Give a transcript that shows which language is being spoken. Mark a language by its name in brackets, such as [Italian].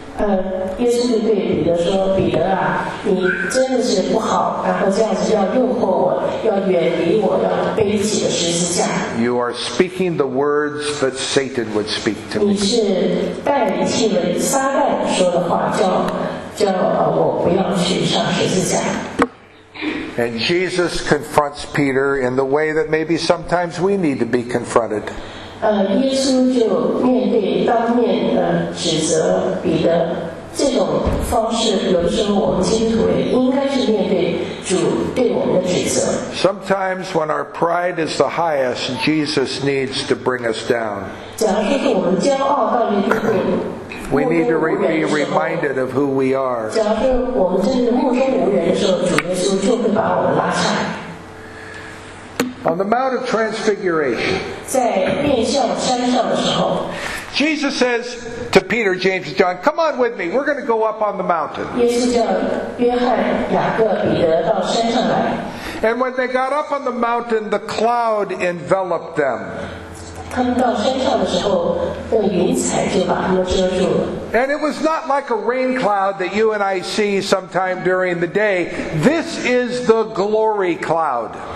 [English] You are speaking the words that Satan would speak to me. And Jesus confronts Peter in the way that maybe sometimes we need to be confronted. [Chinese] 耶稣就面对当面的指责彼得，这种方式有时候我们基督徒也应该是面对主对我们的指责。 [English] Sometimes when our pride is the highest, Jesus needs to bring us down. [Chinese] 假如说是我们骄傲到一个地步。 [English] We need to be reminded of who we are. [Chinese] 假如我们真的目中无人的时候，主耶稣就会把我们拉下。 [English] On the Mount of Transfiguration, [Chinese] 在面向山上的时候 [English] Jesus says to Peter, James, and John, come on with me, we're going to go up on the mountain. [Chinese] 耶稣叫约翰、雅各、彼得到山上来 [English] And when they got up on the mountain, the cloud enveloped them. [Chinese] 他们到山上的时候，那云彩就把他们遮住了 [English] And it was not like a rain cloud that you and I see sometime during the day. This is the glory cloud.